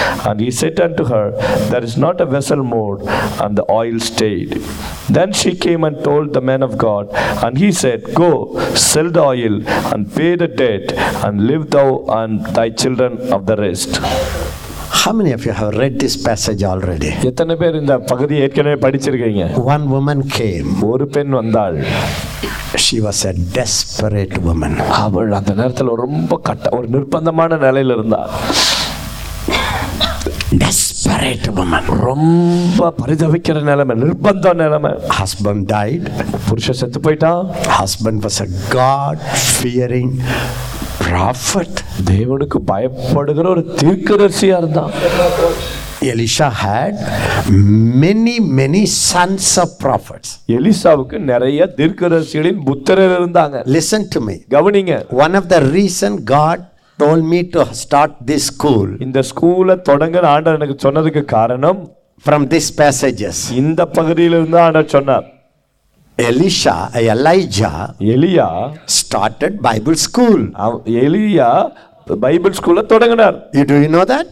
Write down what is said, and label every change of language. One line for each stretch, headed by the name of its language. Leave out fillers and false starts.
English: And he said unto her, there is not a vessel more, and the oil stayed. Then she came and told the man of God, and he said, go, sell the oil and pay the debt, and live thou and thy children of the rest. How many of you have read this passage already?
Tamil: எத்தனை பேர் இந்த பகுதி ஏற்கனவே படிச்சிருக்கீங்க?
English: One woman came.
Tamil: ஒரு பெண் வந்தாள்.
English: She was a desperate woman.
Tamil: அவள் அந்த நேரத்துல ரொம்ப கட்ட ஒரு நிர்பந்தமான நிலையில இருந்தாள்.
English: Desperate woman.
Tamil: ரொம்ப பரிதவிக்கிற நிலைமை, நிர்பந்த நிலைமை.
English: Husband died.
Tamil: புருஷன் செத்து போயிட்டான்.
English: Husband was a God fearing prophet.
Tamil: தேவனுக்கு பயப்படுகிற ஒரு தீர்க்கதரிசியா இருந்தான்.
English: Elisha had many, many sons of prophets.
Tamil: எலிசாவுக்கு நிறைய தீர்க்கதரிசிகளின் புத்திரர் இருந்தாங்க.
English: Listen to me.
Tamil: கவனிங்க.
English: One of the reason God told me to start this school.
Tamil: இந்த ஸ்கூலை தொடங்க ஆண்டவர் எனக்கு சொன்னதுக்கு காரணம்
English: from this passages.
Tamil: இந்த பகுதியிலிருந்து ஆண்டவர் சொன்னார்.
English: Elijah started Bible school.
Tamil: எலியா பைபிள் ஸ்கூல்ல தொடங்கினார்.
English: Do you know that?